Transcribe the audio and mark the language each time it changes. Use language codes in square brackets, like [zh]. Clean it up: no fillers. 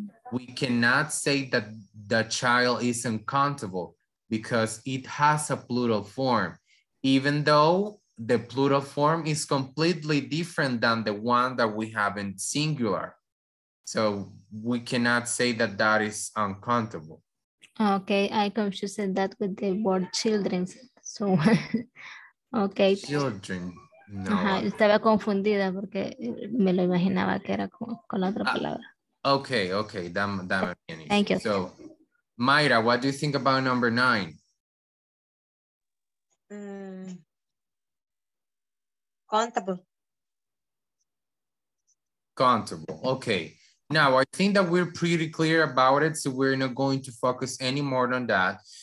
[en] We cannot say that the child is uncountable because it has a plural form, even though the plural form is completely different than the one that we have in singular. So we cannot say that that is uncountable. Okay, I confused that with the word children. So, okay. Children. No. [es] Ajá, estaba confundida porque me lo imaginaba que era con la otra palabra. [en] Okay, okay. That Thank you. Easy. So, Mayra, what do you think about number 9? Countable. Okay. Now, I think that we're pretty clear about it, so we're not going to focus any more on that.